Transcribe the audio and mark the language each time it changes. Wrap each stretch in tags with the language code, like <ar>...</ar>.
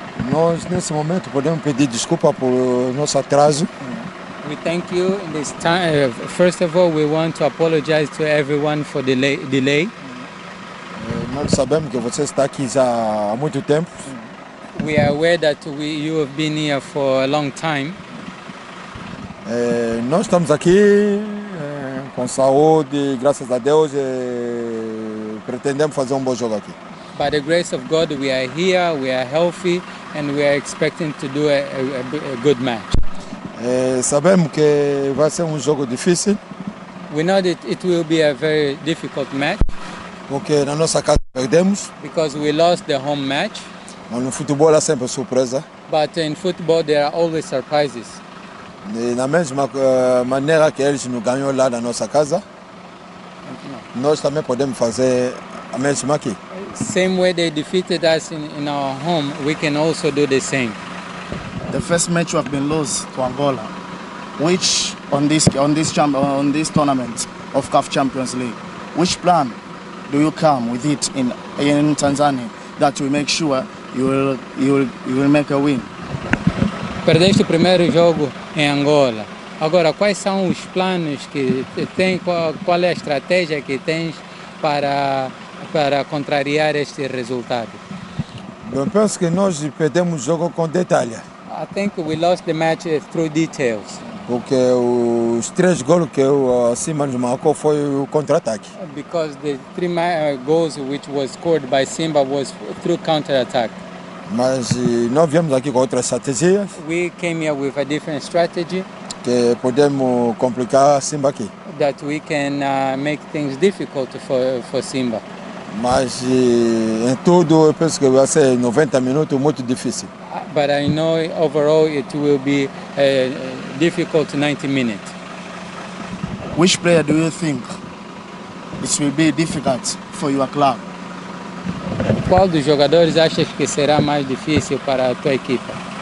<pt>Nós, nesse momento, podemos pedir desculpa por nosso atraso.</pt> <en>We thank you. In this time, first of all, we want to apologize to everyone for the delay.</en> <pt>Nós sabemos que você está aqui já há muito tempo.</pt> <en>We are aware that you have been here for a long time.</en> <pt>Nós estamos aqui com saúde, graças a Deus, e pretendemos fazer bom jogo aqui.</pt> <en>By the grace of God, we are here, we are healthy, and we are expecting to do a good match.</en> <pt>Sabemos que vai ser jogo difícil.</pt> <en>We know that it will be a very difficult match.</en> <pt>Porque na nossa casa perdemos.</pt> <en>Because we lost the home match.</en> <pt>Mas no futebol há sempre surpresa.</pt> <en>But in football, there are always surprises.</en> <pt>E na mesma maneira que eles nos ganham lá na nossa casa, nós também podemos fazer a mesma aqui.</pt> <en>Same way they defeated us in our home, we can also do the same. The first match we have been lost to Angola, which on this tournament of CAF Champions League, which plan do you come with it in Tanzania that we make sure you will make a win?</en> <pt>Perdeste o primeiro jogo em Angola. Agora, quais são os planos que tem, qual é a estratégia que tens para contrariar este resultado? Eu penso que nós perdemos o jogo com detalhe.</pt> <en>I think we lost the match through details.</en> <pt>Porque os três gols que o Simba nos marcou foi o contra-ataque.</pt> <en>Because the three goals which was scored by Simba was through counter-attack.</en> <pt>Mas nós viemos aqui com outras estratégias.</pt> <en>We came here with a different strategy.</en> <pt>Que podemos complicar Simba aqui.</pt> <en>That we can make things difficult for Simba.</en> <pt>Mas em tudo, eu penso que vai ser 90 minutos muito difícil.</pt> <en>But I know overall it will be a difficult 90 minutes. Which player do you think it will be difficult for your club?</en> <pt>Qual dos jogadores achas que será mais difícil para a tua equipa?</pt>